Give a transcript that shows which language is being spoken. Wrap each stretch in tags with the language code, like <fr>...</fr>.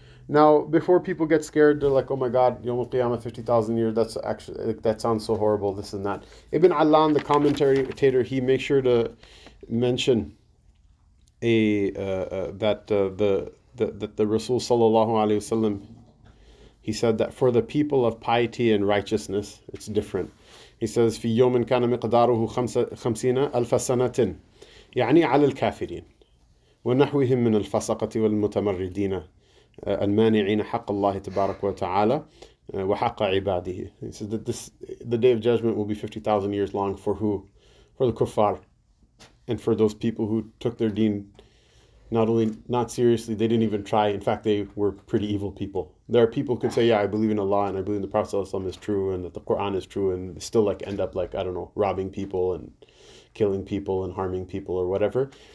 <en>Now, before people get scared, they're like, oh my God, Yawm al-Qiyamah, 50,000 years, that's actually, like, that sounds so horrible, this and that. Ibn Allan, the commentator, he makes sure to mention that the Rasul sallallahu alayhi wasallam, he said that for the people of piety and righteousness, it's different. He says,</en> <ar>في يوم كان مقداره خمسين ألف سنة يعني على الكافرين ونحوهم من الفسقة والمتمردين المانعين حق الله تبارك وتعالى وحق عباده.</ar> <en>He says that this, the Day of Judgment will be 50,000 years long for who? For the kuffar and for those people who took their deen not only not seriously, they didn't even try. In fact, they were pretty evil people. There are people who can say, yeah, I believe in Allah and I believe in the Prophet ﷺ is true and that the Quran is true and still like end up like, I don't know, robbing people and killing people and harming people or whatever.</en>